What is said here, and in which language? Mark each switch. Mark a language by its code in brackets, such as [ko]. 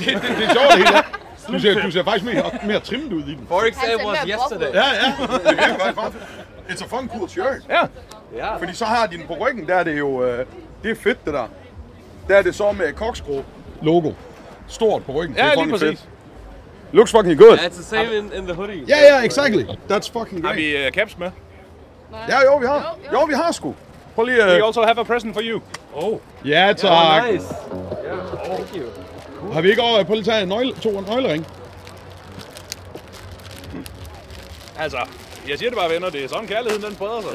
[da] Det er sjovt, det hele. Du ser faktisk mere trimmet ud i den. [en] 4XL was yesterday. [da] Ja, ja. [en] It's a fun cool shirt. [da] Ja. Fordi så har din på ryggen, der er det jo, det er fedt, det der. Der er det så med Koksbro logo. Stort på ryggen. Ja, det er lige præcis. Fedt. [en] Looks fucking good. Yeah, it's the same in the hoodie. Ja, yeah, ja, yeah, exactly. That's fucking great. [da] Har vi caps med? Nej. Ja, jo, vi har. Jo, vi har sgu. Prøv lige, [en] we also have a present for you. Oh. [da] Ja, yeah, tak. [en] Yeah, nice. Yeah. Oh. Thank you. Cool. [da] Har vi ikke over på lige tage en nøglering? Altså, jeg siger det bare, venner. Det er sådan, kærligheden den spreder sig.